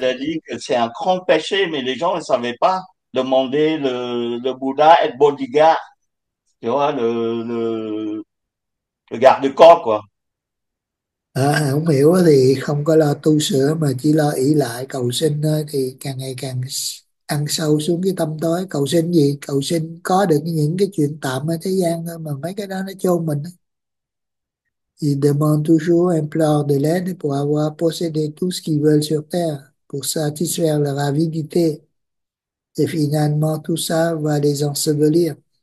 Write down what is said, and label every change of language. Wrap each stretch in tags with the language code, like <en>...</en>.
<fr>il a dit que c'est un grand péché, mais les gens ne savaient pas demander le Bouddha être bodyguard, tu vois, le garde-corps, quoi.</fr> <vi>à, không hiểu thì không có lo tu sửa mà chỉ lo ỷ lại cầu xin thôi, thì càng ngày càng ăn sâu xuống cái tâm tối. Cầu xin gì? Cầu xin có được những cái chuyện tạm ở thế gian thôi, mà mấy cái đó nó chôn mình.</vi> <fr>Il demande toujours, implore de l'aide pour avoir possédé tout ce qu'ils veulent sur terre, pour satisfaire leur avidité. Et finalement, tout ça va les ensevelir.</fr>